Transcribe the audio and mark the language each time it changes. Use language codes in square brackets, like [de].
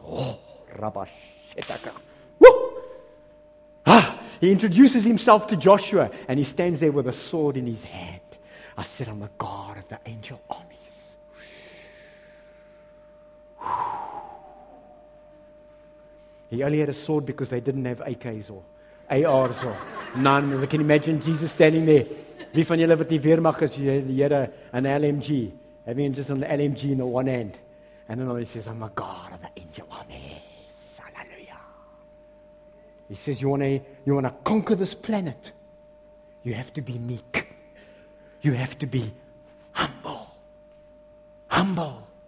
[en] Oh, Rabashetaka. Woo! Ah, He introduces Himself to Joshua and He stands there with a sword in His hand. I said, I'm the God of the angel armies. He only had a sword because they didn't have AKs or ARs or none. I can imagine Jesus standing there. [af] Wie van julle wat die Weermag is, jy het an LMG. [en] Having just an LMG in the one hand. And then he says, I'm a God of the angel armies. Hallelujah. He says, you want to conquer this planet. You have to be meek. You have to be humble. Humble.